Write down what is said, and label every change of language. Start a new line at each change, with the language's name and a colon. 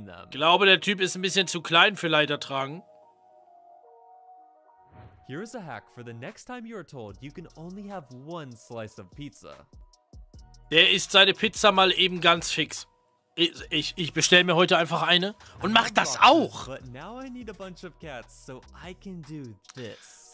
German: glaube, der Typ ist ein bisschen zu klein für Leiter tragen.
English: Here is a hack for the next time you are told you can only have one slice of pizza.
German: Der isst seine Pizza mal eben ganz fix. Ich bestell mir heute einfach eine und mach das auch.
English: But now I need a bunch of cats so I can do this.